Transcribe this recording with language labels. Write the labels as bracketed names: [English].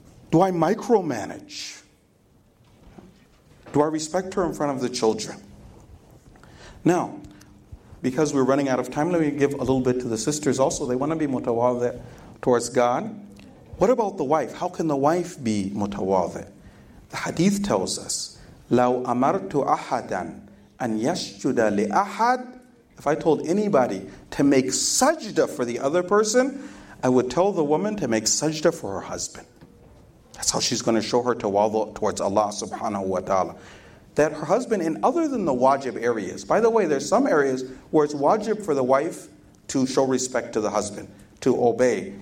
[English] Do I micromanage? Do I respect her in front of the children? Now, because we're running out of time, let me give a little bit to the sisters also. They want to be mutawadhi towards God. What about the wife? How can the wife be mutawadhi? The hadith tells us, [Arabic] لَوْ أَمَرْتُ أَحَدًا أَنْ يَشْجُدَ لِأَحَدٍ. [English] If I told anybody to make sajda for the other person, I would tell the woman to make sajda for her husband. That's how she's going to show her tawadhu towards Allah subhanahu wa ta'ala. That her husband, in other than the wajib areas, by the way, there's some areas where it's wajib for the wife to show respect to the husband, to obey.